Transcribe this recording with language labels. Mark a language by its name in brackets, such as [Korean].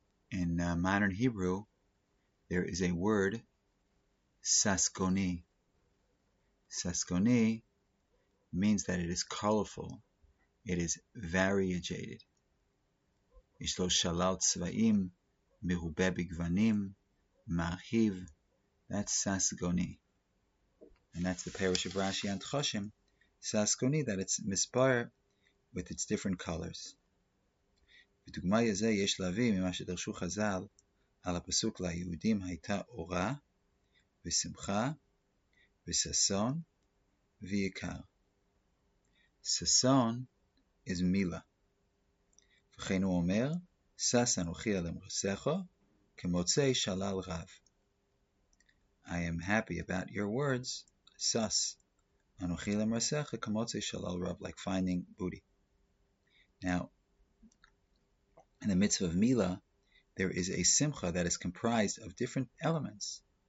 [English] In modern Hebrew, there is a word, sasgoni. Sasgoni means that it is colorful, it is variegated. [Hebrew] יש לו שלל צבעים מרובה בגוונים מרהיב. [English] That's ססגוני. And that's the parish of Rashi and Tchoshim. ססגוני, that it's מספר with its different colors. [Hebrew] בדוגמה לזה יש להביא ממה שדרשו חז"ל על הפסוק ליהודים הייתה אורה ושמחה וססון ויקר. ססון is מילה. וכן הוא אומר, סס אנוכי על המרסכו כמוצאי שלל רב. [English] I am happy about your words, [Hebrew] סס אנוכי למרסכו כמוצאי שלל רב, [English] like finding booty. Now, in the mitzvah of Mila, there is a simcha that is comprised of different elements.